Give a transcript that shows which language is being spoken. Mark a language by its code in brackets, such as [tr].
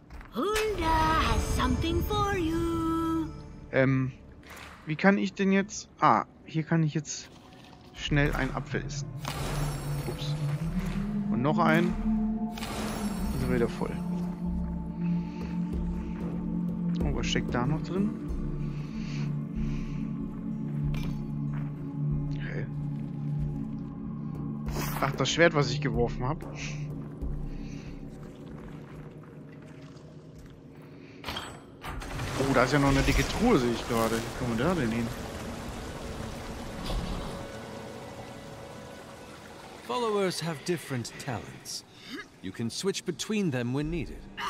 [en] Hunda has something for you. [de] Wie kann ich denn jetzt? Ah, hier kann ich jetzt schnell einen Apfel essen. Ups. Und noch einen. Ist wieder voll. Oh, was steckt da noch drin? Hä? Okay. Ach, das Schwert, was ich geworfen habe. Oh, da ist ja noch eine dicke Truhe, sehe ich gerade. Wie kommen wir da denn hin? [en] Followers have different talents. You can switch between them when needed.